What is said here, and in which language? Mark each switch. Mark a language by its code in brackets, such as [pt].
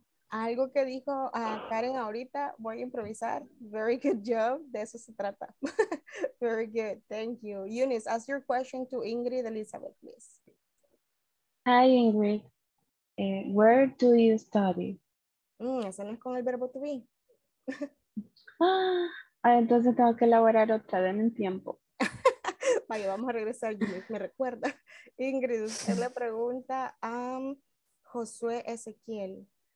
[es] Algo que dijo Karen ahorita, voy a improvisar. [en] Very good job. [es] De eso se trata. [en] Very good. Thank you. Eunice, ask your question to Ingrid Elizabeth, please. Hi, Ingrid. Where do you study? [es] Eso no es con el verbo to be. Entonces tengo que elaborar otra. Denme tiempo. Vaya, vamos a regresar, Eunice. Me recuerda. Ingrid, usted le pregunta a... Josué Ezequiel.